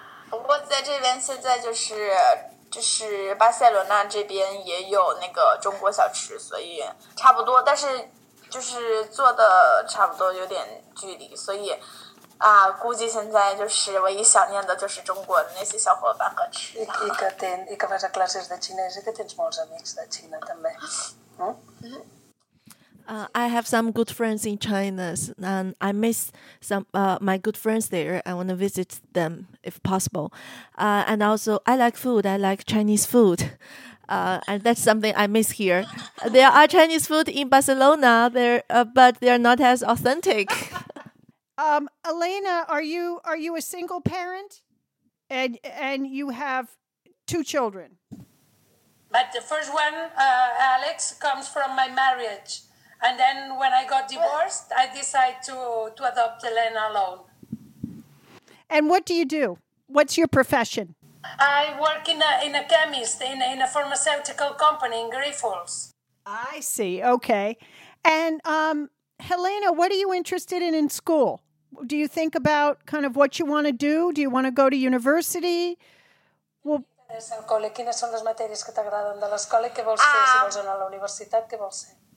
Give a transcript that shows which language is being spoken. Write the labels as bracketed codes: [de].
[zh] 不过在这边现在就是巴塞罗那这边也有那个中国小吃，所以差不多，但是就是做的差不多有点距离，所以啊，估计现在就是唯一想念的就是中国的那些小伙伴和吃的。 [ca] I que vas a classes de xinès i que tens molts amics de Xina també. [en] I have some good friends in China, and I miss some my good friends there. I want to visit them if possible. And also, I like food. I like Chinese food. And that's something I miss here. There are Chinese food in Barcelona, but they are not as authentic. Elena, are you a single parent? And you have two children. But the first one, Alex, comes from my marriage. And then when I got divorced, I decided to adopt Elena alone. And what do you do? What's your profession? I work in a chemist in a pharmaceutical company in Grifols. I see. Okay. And Helena, what are you interested in school? Do you think about kind of what you want to do? Do you want to go to university? [ca] Well, quines són les matèries que t'agraden de l'escola i què vols fer? Si vols anar a la universitat, què vols fer?